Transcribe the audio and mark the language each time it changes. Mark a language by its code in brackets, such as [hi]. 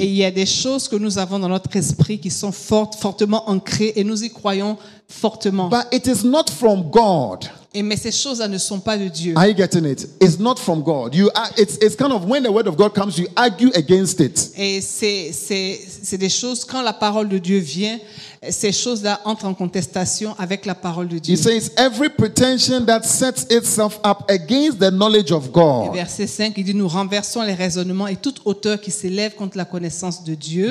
[fr] Et il y a des choses que nous avons dans notre esprit qui sont fortes, fortement ancrées et nous y croyons fortement. [en] But it is not from God. [fr] Et mais ces choses-là ne sont pas de Dieu. [en] Are you getting it? It's not from God. You are, it's kind of when the word of God comes, you argue against it. [fr] Et c'est des choses quand la parole de Dieu vient, ces choses-là entrent en contestation avec la parole de Dieu. [en] He says every pretension that sets itself up against the knowledge of God. [fr] Et verset 5, il dit nous renversons les raisonnements et toute hauteur qui s'élève contre la connaissance de Dieu.